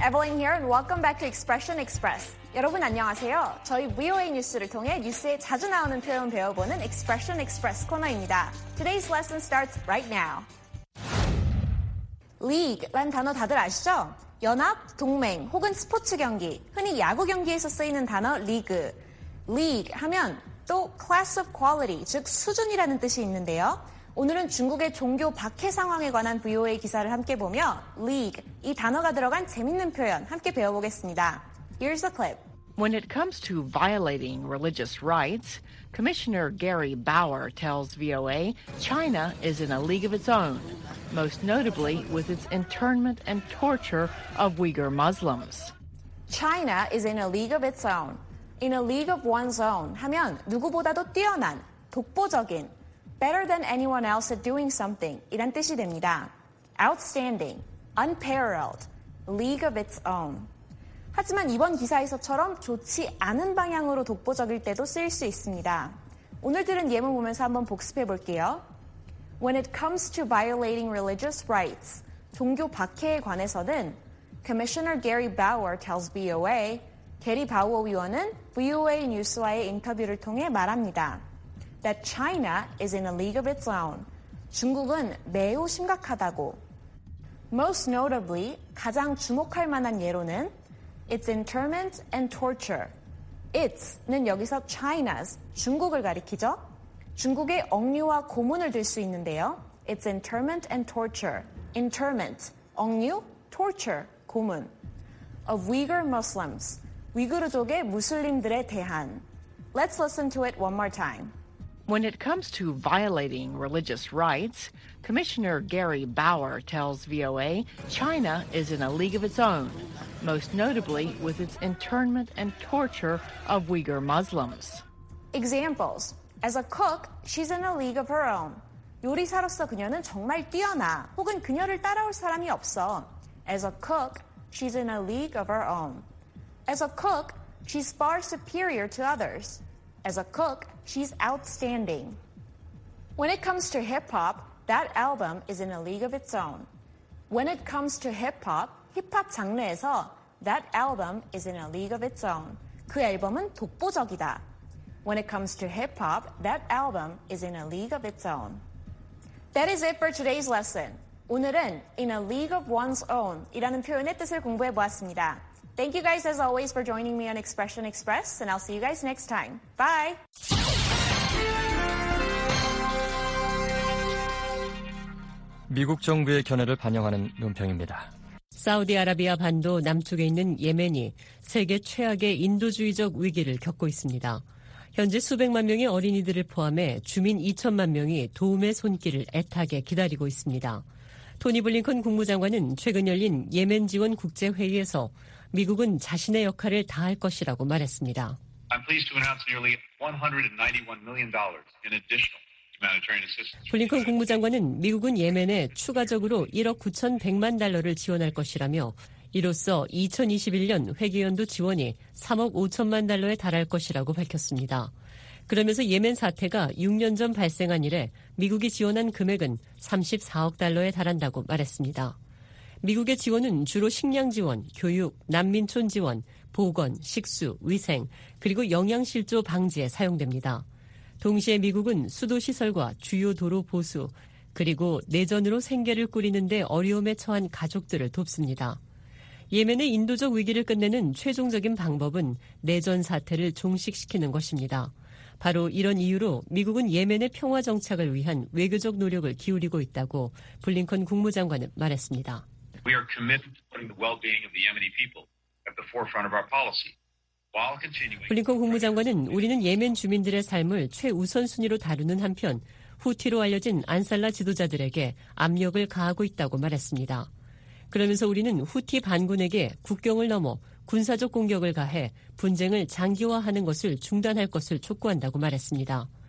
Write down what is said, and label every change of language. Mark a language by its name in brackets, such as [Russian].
[English] Evelyn here and welcome back to Expression Express. [Korean] 여러분 안녕하세요. 저희 VOA 뉴스를 통해 뉴스에 자주 나오는 표현 배워보는 Expression Express 코너입니다. [English] Today's lesson starts right now. [Korean] League란 단어 다들 아시죠? 연합, 동맹, 혹은 스포츠 경기, 흔히 야구 경기에서 쓰이는 단어 리그. League 하면 또 [English] class of quality, [Korean] 즉 수준이라는 뜻이 있는데요. 오늘은 중국의 종교 박해 상황에 관한 VOA 기사를 함께 보며 League, 이 단어가 들어간 재밌는 표현 함께 배워보겠습니다. [English] Here's the clip. When it comes to violating religious rights, Commissioner Gary Bauer tells VOA China is in a league of its own, most notably with its internment and torture of Uyghur Muslims. China is in a league of its own. In a league of one's own [Korean] 하면 누구보다도 뛰어난, 독보적인, [English] better than anyone else at doing something [Korean] 이란 뜻이 됩니다. [English] Outstanding, unparalleled, league of its own. [Korean] 하지만 이번 기사에서처럼 좋지 않은 방향으로 독보적일 때도 쓰일 수 있습니다. 오늘 들은 예문 보면서 한번 복습해 볼게요. [English] When it comes to violating religious rights, [Korean] 종교 박해에 관해서는 [English] Commissioner Gary Bauer tells VOA, [Korean] 게리 바우어 위원은 VOA 뉴스와의 인터뷰를 통해 말합니다. [English] That China is in a league of its own. [Korean] 중국은 매우 심각하다고. [English] Most notably, [Korean] 가장 주목할 만한 예로는 [English] It's internment and torture. [Korean] It's는 여기서 China's, 중국을 가리키죠. 중국의 억류와 고문을 들 수 있는데요. [English] It's internment and torture. Internment, 억류, torture, 고문. Of Uyghur Muslims, [Korean] 위구르족의 무슬림들에 대한. [English] Let's listen to it one more time. When it comes to violating religious rights, Commissioner Gary Bauer tells VOA China is in a league of its own, most notably with its internment and torture of Uyghur Muslims. Examples. As a cook, she's in a league of her own. [Korean] 요리사로서 그녀는 정말 뛰어나, 혹은 그녀를 따라올 사람이 없어. [English] As a cook, she's in a league of her own. As a cook, she's far superior to others. As a cook, she's outstanding. When it comes to hip-hop, that album is in a league of its own. When it comes to hip-hop, [Korean] 힙합 장르에서 [English] that album is in a league of its own. [Korean] 그 앨범은 독보적이다. [English] When it comes to hip-hop, that album is in a league of its own. That is it for today's lesson. [Korean] 오늘은 [English] in a league of one's own [Korean] 이라는 표현의 뜻을 공부해 보았습니다. [English] Thank you guys as always for joining me on Expression Express, and I'll see you guys next time. Bye! [Korean] U.S. 정부의 견해를 반영하는 논평입니다. 사우디아라비아 반도 남쪽에 있는 예멘이 세계 최악의 인도주의적 위기를 겪고 있습니다. 현재 수백만 명의 어린이들을 포함해 주민 2천만 명이 도움의 손길을 애타게 기다리고 있습니다. 토니 블링컨 국무장관은 최근 열린 예멘 지원 국제회의에서 미국은 자신의 역할을 다할 것이라고 말했습니다. [English] I'm pleased to announce nearly $191 million in additional [Korean] 블링컨 국무장관은 미국은 예멘에 추가적으로 1억 9,100만 달러를 지원할 것이라며 이로써 2021년 회계연도 지원이 3억 5천만 달러에 달할 것이라고 밝혔습니다. 그러면서 예멘 사태가 6년 전 발생한 이래 미국이 지원한 금액은 34억 달러에 달한다고 말했습니다. 미국의 지원은 주로 식량 지원, 교육, 난민촌 지원, 보건, 식수, 위생, 그리고 영양실조 방지에 사용됩니다. 동시에 미국은 수도 시설과 주요 도로 보수, 그리고 내전으로 생계를 꾸리는 데 어려움에 처한 가족들을 돕습니다. 예멘의 인도적 위기를 끝내는 최종적인 방법은 내전 사태를 종식시키는 것입니다. 바로 이런 이유로 미국은 예멘의 평화 정착을 위한 외교적 노력을 기울이고 있다고 블링컨 국무장관은 말했습니다. [English] We are committed to putting the well-being of the Yemeni people at the forefront of our policy. [Korean] 블링컨 국무장관은 우리는 예멘 주민들의 삶을 최우선순위로 다루는 한편 후티로 알려진 안살라 지도자들에게 압력을 가하고 있다고 말했습니다. 그러면서 우리는 후티 반군에게 국경을 넘어 군사적 공격을 가해 분쟁을 장기화하는 것을 중단할 것을 촉구한다고 말했습니다.